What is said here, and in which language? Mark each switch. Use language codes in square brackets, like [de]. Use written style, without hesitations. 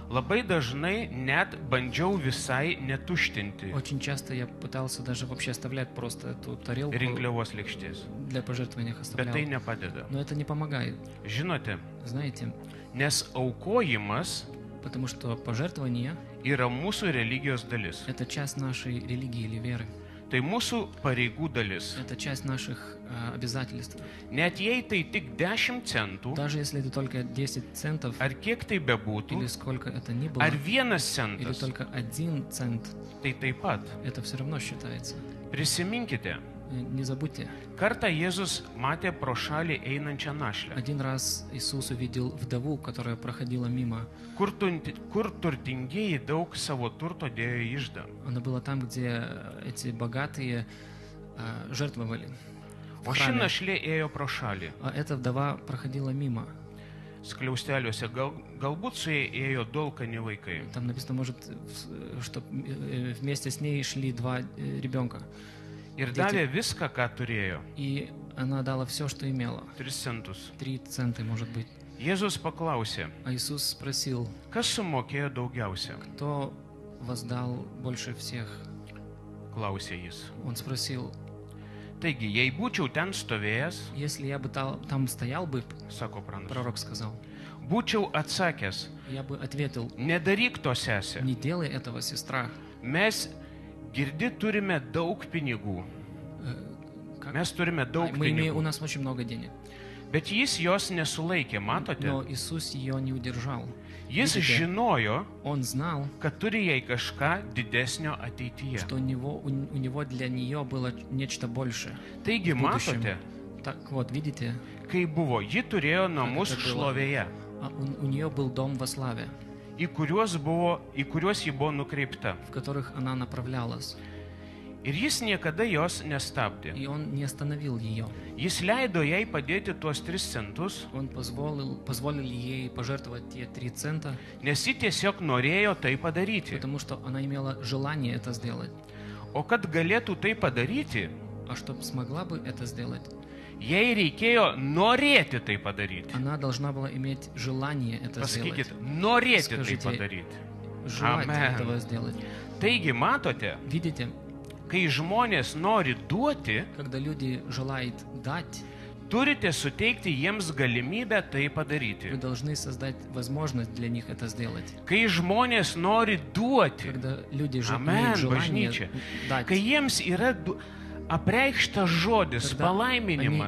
[lt] Labai dažnai net bandžiau visai netuštinti. [ru] Очень часто я пытался даже вообще оставлять просто эту тарелку. [lt] Rinkliavos lėkštės. [ru] Для пожертвования оставлял. [lt] Bet tai nepadeda. [ru] Но это не помогает. [lt] Žinote. [ru] Знаете. [lt] Nes aukojimas, [ru] потому что пожертвование, [lt] yra mūsų religijos dalis. [ru] Это часть нашей религии или веры. [lt] Tai mūsų pareigų dalis. [ru] Это часть наших обязательств. [lt] Net jei tai tik 10 centų, [ru] даже если это только 10 центов, [lt] ar kiek tai bebūtų, [ru] или сколько это ни было, [lt] ar vienas centas, [ru] или только один цент, [lt] tai taip pat. [ru] Это все равно считается. [lt] Prisiminkite, [ru] не забудьте. [lt] Kartą Jėzus matė pro šalį einančią našlę. [ru] Один раз Иисус увидел вдову, которая проходила мимо. [lt] Kur turtingieji daug savo turto dėjo į iždą. [ru] Она была там, где эти богатые жертвовали. [lt] O ši našlė ėjo pro šalį. [ru] А эта вдова проходила мимо. [lt] Скляустеліся, galbūt su jai ėjo dolkani vaikai. [ru] Там написано, может, что вместе с ней шли два ребенка. [lt] Ir davė viską, ką turėjo. [ru] И она дала все, что имела. 3 центов. 3 центы, может быть. [lt] Jėzus paklausė. [ru] А Иисус спросил. [lt] Kas sumokėjo daugiausia? [ru] Кто воздал больше всех? [lt] Klausė jis. [ru] Он спросил. [lt] Taigi, jei būčiau ten stovėjęs. [ru] Если я бы там стоял бы. [lt] Sako pranašas. [ru] Пророк сказал. [lt] Būčiau atsakęs. [ru] Я бы ответил. [lt] Nedaryk to, sesė. [ru] Не делай этого, сестра. [lt] Mes Girdi, turime daug pinigų. Mes turime daug pinigų. [ru] У нас очень много денег. [lt] Bet jis jos nesulaikė, matote? [ru] Но Иисус ее не удержал. [lt] Jis žinojo, [ru] он знал, [lt] kad turi jai kažką didesnio ateityje. [ru] Что у него для нее было нечто большее. [lt] Taigi, matote, [ru] так вот, видите, [lt] kai buvo, ji turėjo namus šlovėje. [ru] У нее был дом во славе. [lt] И kuriuos ji buvo nukreipta. [ru] В которых она направлялась. [lt] Ir jis niekada jos nestabdė. [ru] И он не остановил ее. [lt] Jis leido jai padėti tuos 3 centus. [ru] Он позволил ей пожертвовать те 3 цента. [lt] Nes ji tiesiog norėjo tai padaryti. [ru] Потому что она имела желание это сделать. [lt] O kad galėtų tai padaryti. [ru] А чтоб смогла бы это сделать. [lt] Jai reikėjo norėti tai padaryti. [ru] Она должна была иметь желание это сделать. [lt] Pasakykit, norėti [ru] Скажите, [lt] tai padaryti. [ru] Желать этого сделать. [lt] Taigi, matote, [ru] видите, [lt] kai žmonės nori duoti, [ru] когда люди желают дать, [lt] Turite suteikti jiems galimybę tai padaryti. [ru] Вы должны создать возможность для них это сделать. [lt] Kai žmonės nori duoti. [ru] Когда люди желают дать. [lt] Kai jiems yra apreikšta žodis, palaiminimas.